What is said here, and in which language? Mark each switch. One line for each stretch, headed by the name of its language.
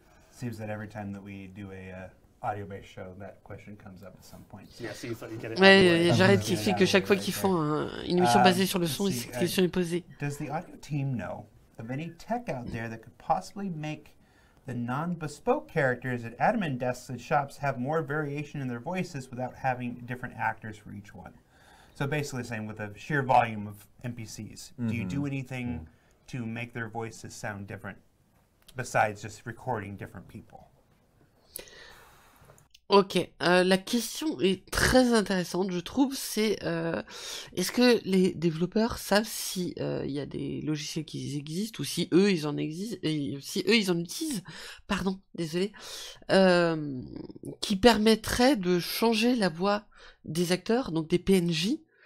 English: Seems that every time that we do a audio-based show, that question comes up at some point.
French: Ouais, Jared qui explique que chaque fois qu'ils font une émission basée sur le son, cette question est posée.
English: Does the audio team know of any tech out there that could possibly make the non-bespoke characters at admin desks and shops have more variation in their voices without having different actors for each one? So basically saying with a sheer volume of NPCs, do you do anything to make their voices sound different besides just recording different people?
French: Ok, la question est très intéressante, je trouve. C'est est-ce que les développeurs savent si il y a des logiciels qui existent ou si eux ils en existent, si eux ils en utilisent, pardon, désolé, qui permettraient de changer la voix des acteurs, donc des PNJ,